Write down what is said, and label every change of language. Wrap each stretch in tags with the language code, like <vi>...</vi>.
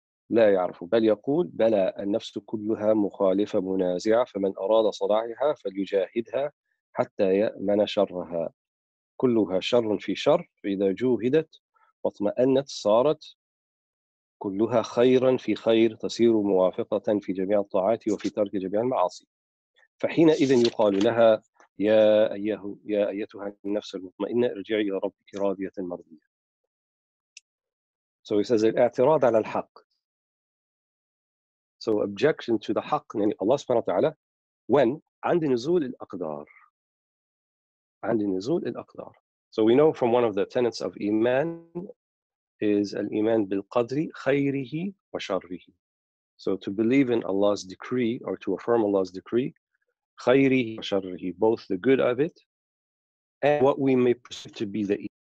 <ar>لا يعرف بل يقول بلى النفس كلها مخالفة منازعة فمن أراد صلاحها فليجاهدها حتى يأمن شرها كلها شر في شر فإذا جوهدت واطمأنت صارت كلها خيرا في خير تصير موافقة في جميع الطاعات وفي ترك جميع المعاصي فحينئذ يقال لها يا أيتها النفس المطمئنة ارجعي إلى ربك راضية مرضية.</ar> <en>So he says</en> <ar>الاعتراض على الحق.</ar> <en>So objection to the حق, يعني Allah سبحانه وتعالى, when</en> <ar>عند نزول الأقدار. عند نزول الأقدار.</ar> <en>So we know from one of the tenets of Iman is</en> <ar>al-iman bil-qadri khayrihi wa sharrihi.</ar> <en>So to believe in Allah's decree, or to affirm Allah's decree,</en> <ar>khayrihi wa sharrihi,</ar> <en>both the good of it and what we may perceive to be the evil.</en>